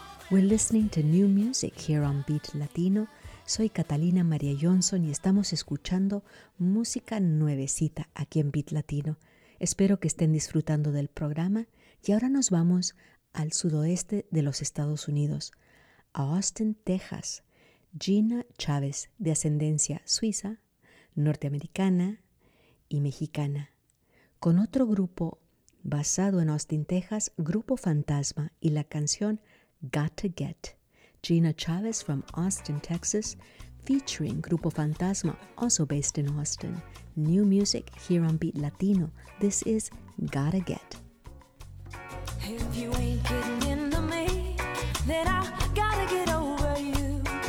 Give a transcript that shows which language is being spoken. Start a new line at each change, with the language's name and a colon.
English: We're listening to new music here on Beat Latino.
Spanish: Soy Catalina María Johnson y estamos escuchando música nuevecita aquí en Beat Latino. Espero que estén disfrutando del programa y ahora nos vamos al sudoeste de los Estados Unidos, a Austin, Texas. Gina Chávez, de ascendencia suiza, norteamericana y mexicana. Con otro grupo basado en Austin, Texas, Grupo Fantasma y la canción Gotta Get.
English: Gina Chávez from Austin, Texas, featuring Grupo Fantasma, also based in Austin. New music here on Beat Latino. This is Gotta Get. If you ain't getting into me, then I gotta get over you.